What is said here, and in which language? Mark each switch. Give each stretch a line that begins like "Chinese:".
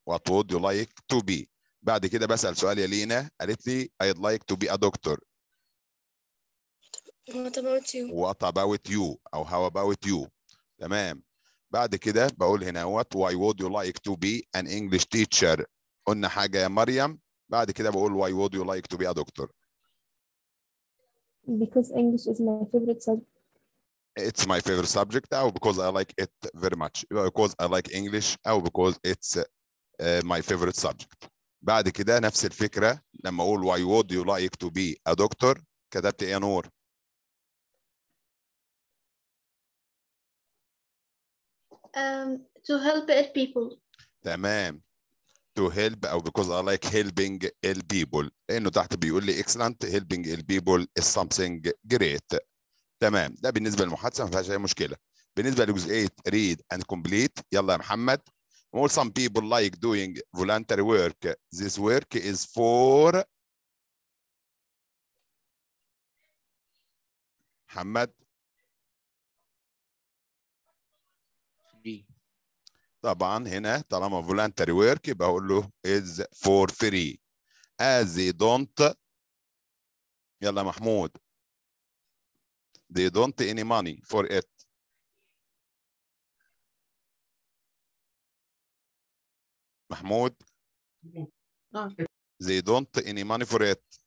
English: What would you like to be?
Arabic: بعد كده بسال سؤال يا لينا قالت لي
English: I'd like to be a doctor. What about you? What about you أو how about you؟ تمام.
Arabic: بعد كده بقول هنا
English: what why would you like to be an English teacher؟
Arabic: قلنا حاجة يا مريم. بعد كده بقول
English: why would you like to be a doctor؟ Because English is my favorite subject. It's my favorite subject أو because I like it very much. Because I like English أو because it's my favorite subject.
Arabic: بعد كده نفس الفكرة لما أقول
English: why would you like to be a doctor؟
Arabic: كتبت إيه يا نور؟
English: To help ill people.
Arabic: تمام.
English: To help أو because I like helping ill people.
Arabic: لأنه تحت بيقول لي
English: excellent helping ill people is something great.
Arabic: تمام. ده بالنسبة للمحادثة ما فيهاش أي مشكلة. بالنسبة لجزئية
English: read and complete
Arabic: يلا يا محمد.
English: Well, some people like doing voluntary work. This work is for محمد.
Arabic: طبعا هنا طالما voluntary work يبقى اقول له
English: is for free. As they don't يلا محمود they don't any money for it. محمود they don't any money for it.